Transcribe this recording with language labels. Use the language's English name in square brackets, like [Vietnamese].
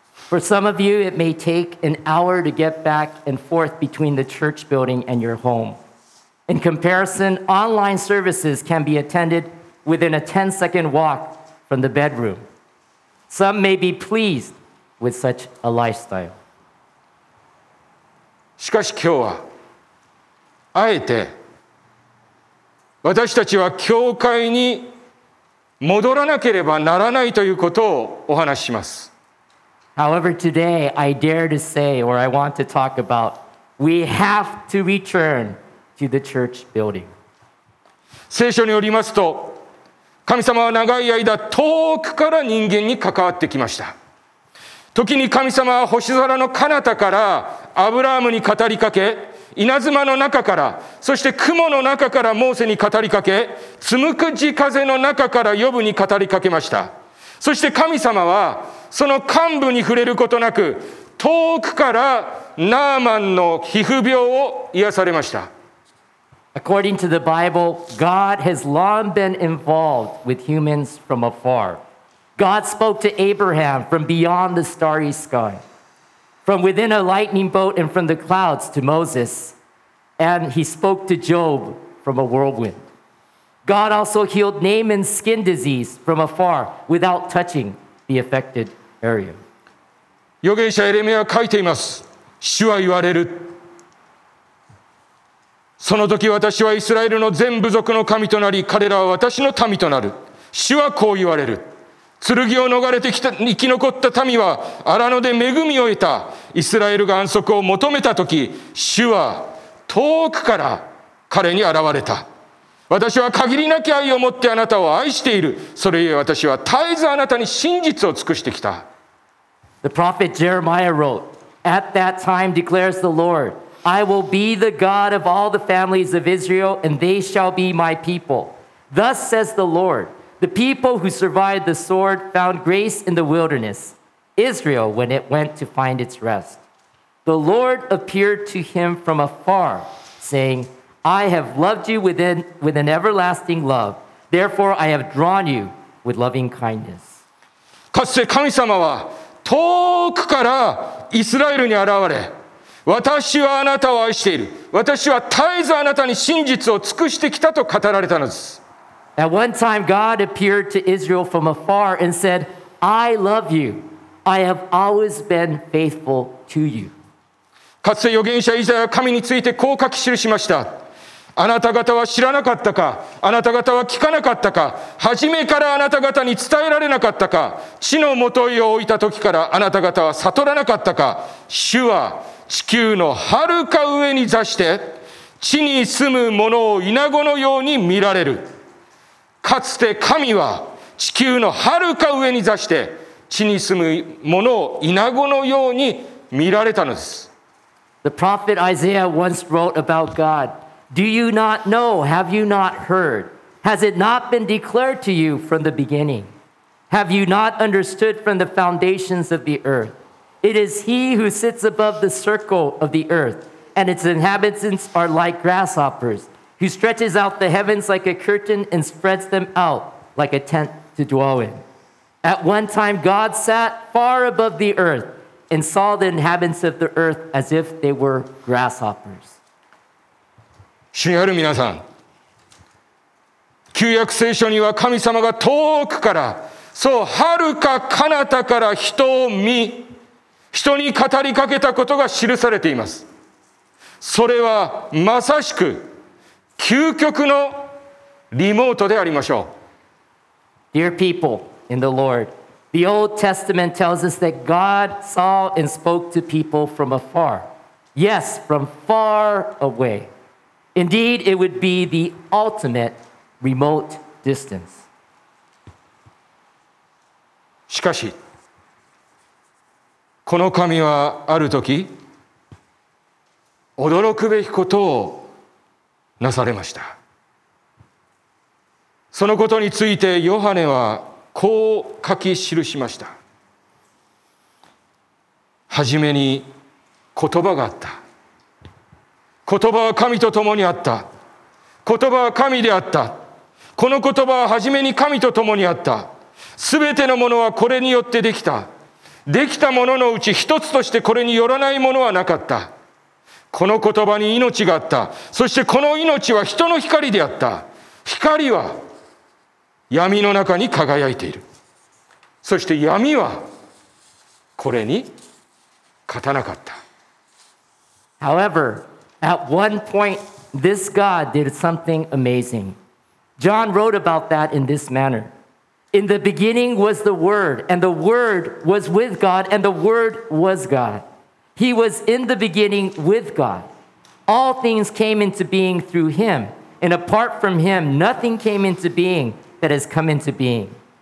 [English] For some of you, it may take an hour to get back and forth between the church building and your home. In comparison, online services can be attended within a 10-second walk from the bedroom. Some may be pleased with such a lifestyle. [Japanese] しかし今日は、あえて私たちは教会に戻らなければならないということをお話します。 [English] However, today I dare to say, or I want to talk about, we have to return to the church building. [Japanese] 聖書によりますと、神様は長い間遠くから人間に関わってきました。時に神様は星空の彼方からアブラハムに語りかけ、稲妻の中から、そして雲の中からモーセに語りかけ、紡く地風の中からヨブに語りかけました。そして神様はその幹部に触れることなく、遠くからナーマンの皮膚病を癒されました。 [English] According to the Bible, God has long been involved with humans from afar. God spoke to Abraham from beyond the starry sky, from within a lightning bolt and from the clouds to Moses, and he spoke to Job from a whirlwind. God also healed Naaman's skin disease from afar without touching the affected area. [Japanese] 預言者エレミアは書いています。主は言われる。その時私はイスラエルの全部族の神となり、彼らは私の民となる。主はこう言われる。剣を逃れてきた、生き残った民は荒野で恵みを得た。イスラエルが安息を求めた時、主は遠くから彼に現れた。私は限りなき愛を持ってあなたを愛している。それゆえ私は絶えずあなたに真実を尽くしてきた。 [English] The prophet Jeremiah wrote, At that time declares the Lord, I will be the God of all the families of Israel, and they shall be my people. Thus says the Lord, the people who survived the sword found grace in the wilderness, Israel when it went to find its rest. The Lord appeared to him from afar, saying, I have loved you with an everlasting love. Therefore, I have drawn you with loving kindness. [Japanese] かつて神様は遠くからイスラエルに現れ、私はあなたを愛している。私は絶えずあなたに真実を尽くしてきたと語られたのです。 [English] At one time, God appeared to Israel from afar and said, I love you. I have always been faithful to you. [Japanese] かつて預言者イザヤは神についてこう書き記しました。あなた方は知らなかったか、あなた方は聞かなかったか、初めからあなた方に伝えられなかったか、地のもといを置いた時からあなた方は悟らなかったか、主は地球のはるか上に座して、地に住む者をイナゴのように見られる。かつて神は地球のはるか上に座して、地に住む者をイナゴのように見られたのです。 [English] The prophet Isaiah once wrote about God. Do you not know? Have you not heard? Has it not been declared to you from the beginning? Have you not understood from the foundations of the earth? It is he who sits above the circle of the earth, and its inhabitants are like grasshoppers, who stretches out the heavens like a curtain and spreads them out like a tent to dwell in. At one time, God sat far above the earth and saw the inhabitants of the earth as if they were grasshoppers. [Japanese] 主にある皆さん、旧約聖書には神様が遠くから、そう、遥か彼方から人を見、人に語りかけたことが記されています。それはまさしく究極のリモートでありましょう。 [English] Dear people in the Lord, the Old Testament tells us that God saw and spoke to people from afar. Yes, from far away. Indeed, it would be the ultimate remote distance. [Japanese] しかし、この神はある時、驚くべきことをなされました。そのことについてヨハネはこう書き記しました。はじめに言葉があった。言葉は神と共にあった。言葉は神であった。この言葉は初めに神と共にあった。すべてのものはこれによってできた。できたもののうち一つとしてこれによらないものはなかった。この言葉に命があった。そしてこの命は人の光であった。光は闇の中に輝いている。そして闇はこれに勝たなかった。 [English] However, at one point, this God did something amazing. John wrote about that in this manner. In the beginning was the Word, and the Word was with God, and the Word was God. He was in the beginning with God. All things came into being through Him, and apart from Him, nothing came into being that has come into being.